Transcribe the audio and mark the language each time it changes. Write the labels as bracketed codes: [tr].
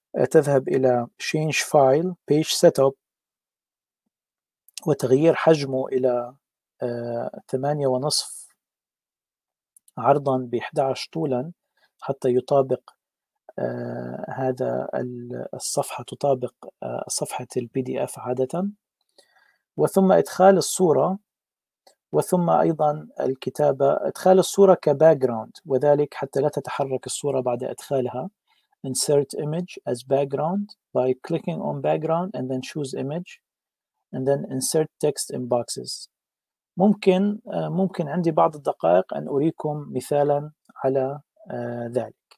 [ar] تذهب إلى [en] change file page setup [ar] وتغيير حجمه إلى 8.5 عرضا ب 11 طولا حتى يطابق هذا الصفحة تطابق صفحة البي دي اف عادة، وثم إدخال الصورة وثم أيضا الكتابة، إدخال الصورة كباك جراوند وذلك حتى لا تتحرك الصورة بعد إدخالها. [en] Insert image as background by clicking on background and then choose image and then insert text in boxes. [ar] ممكن عندي بعض الدقائق أن أريكم مثالا على ذلك.